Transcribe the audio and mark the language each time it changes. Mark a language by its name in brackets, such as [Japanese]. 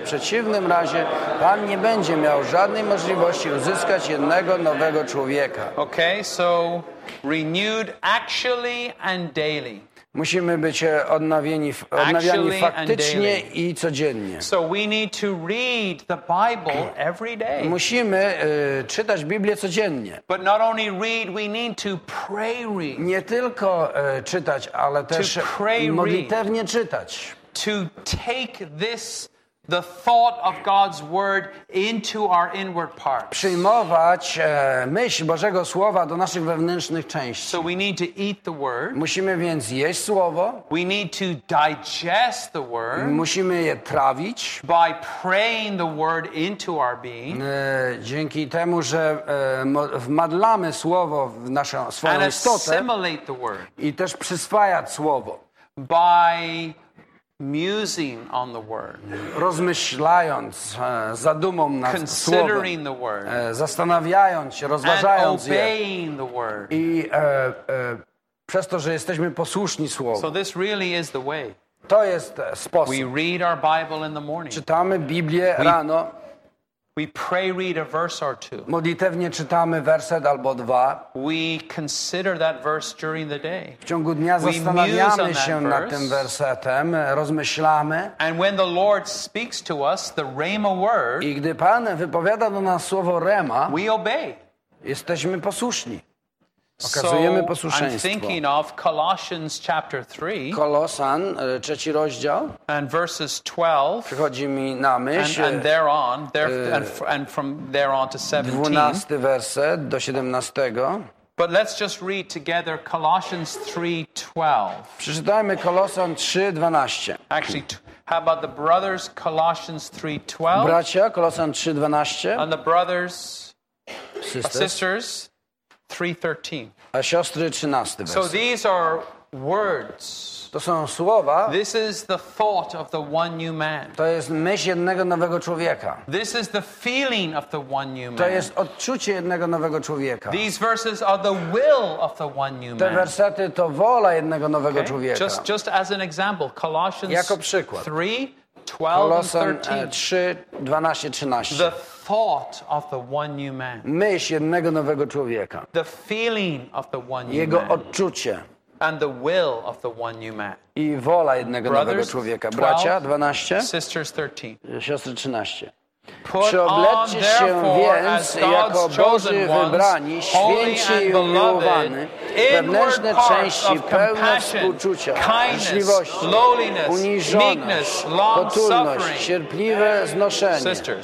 [Polish] W przeciwnym razie Pan nie będzie miał żadnej możliwości uzyskać jednego nowego człowieka. [English] Okay, so renewed actually and daily. [Polish] Musimy być odnawiani faktycznie i codziennie. [English] So we need to read the Bible every day. [Polish] Musimy czytać Biblię codziennie. [English] But not only read, we need to pray read. [Polish] Nie tylko czytać, ale też modlitewnie czytać. [English] To take this the thought of God's word into our inward parts. [Polish] Przyjmować myśl Bożego słowa do naszych wewnętrznych części. [English] So we need to eat the word. [Polish] Musimy więc jeść słowo. [English] We need to digest the word. [Polish] Musimy je trawić. [English] By praying the word into our being. [Polish] Dzięki temu, że wmadlamy słowo w naszą swoją istotę. [English] And assimilate the word. [Polish] I też przyswajać słowo. [English] By musing on the word. [Polish] Rozmyślając, zadumą nad [English] considering [Polish] słowem, [English] the word. [Polish] Zastanawiając się, rozważając [English] and obeying the word. [Polish] I przez to, że jesteśmy posłuszni słowu. [English] So this really is the way. [Polish] To jest sposób. [English] We read our Bible in the morning. [Polish] Czytamy Biblię rano. [English] We pray read a verse or two. [Polish] Modlitewnie czytamy werset albo dwa. [English] We consider that verse during the day. [Polish] W ciągu dnia zastanawiamy się nad tym wersetem, rozmyślamy. [English] And when the Lord speaks to us the rhema word, [Polish] i gdy Pan wypowiada do nas słowo rhema, [English] we obey. [Polish] Jesteśmy posłuszni. Okazujemy posłuszeństwo. [English] So I'm thinking of Colossians chapter 3. [Polish] Kolosan, trzeci rozdział. [English] And verses 12. [Polish] Przychodzi mi na myśl. [English] And there on, there, and from there on to 17. [Polish] 12 werset do 17. [English] But let's just read together Colossians 3:12. [Polish] Przeczytajmy Kolosan 3:12. [English] Actually, how about the brothers, Colossians 3:12. [Polish] Bracia, Kolosan 3:12. [English] And the brothers, sisters. 3:13. [Polish] A siostry 13. [English] So these are words. [Polish] To są słowa. [English] This is the thought of the one new man. [Polish] To jest myśl jednego nowego człowieka. [English] This is the feeling of the one new man. [Polish] To jest odczucie jednego nowego człowieka. [English] These verses are the will of the one new man. [Polish] Te wersety to wola jednego nowego człowieka. [English] Just as an example, Colossians [Polish] jako przykład. [English] 3:12-13. The thought of the one new man. [Polish] Myśl jednego nowego człowieka. [English] The feeling of the one new man. [Polish] Jego odczucie. [English] And the will of the one new man. [Polish] I wola jednego nowego człowieka. Bracia 12. [English] Sisters 13. [Polish] Siostry 13. Przyobleccie się więc jako Boży wybrani, święci i umiłowani, wewnętrzne części pełne współczucia, życzliwości, uniżoność, potulność, cierpliwe znoszenie.